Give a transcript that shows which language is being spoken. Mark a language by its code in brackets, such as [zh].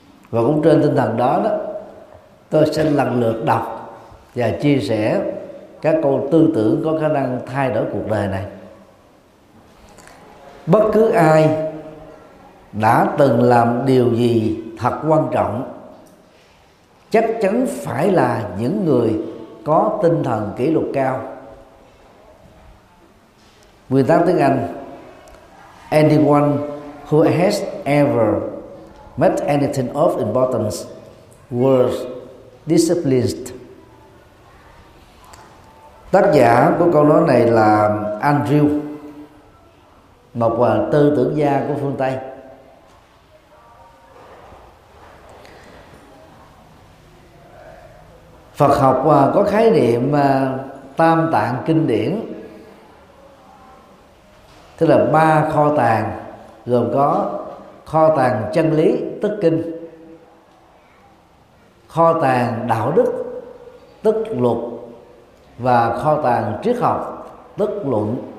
[vi] Và cũng trên tinh thần đó đó, tôi sẽ lần lượt đọc và chia sẻ các câu tư tưởng có khả năng thay đổi cuộc đời này. Bất cứ ai đã từng làm điều gì thật quan trọng chắc chắn phải là những người có tinh thần kỷ luật cao. Nguyên tắc tiếng Anh: [en] Anyone who has ever met anything of importance was disciplined. [vi] Tác giả của câu nói này là Andrew, một tư tưởng gia của phương Tây. Phật học có khái niệm tam tạng kinh điển, tức là ba kho tàng, gồm có kho tàng chân lý tức kinh, kho tàng đạo đức tức luật, và kho tàng triết học tức luận.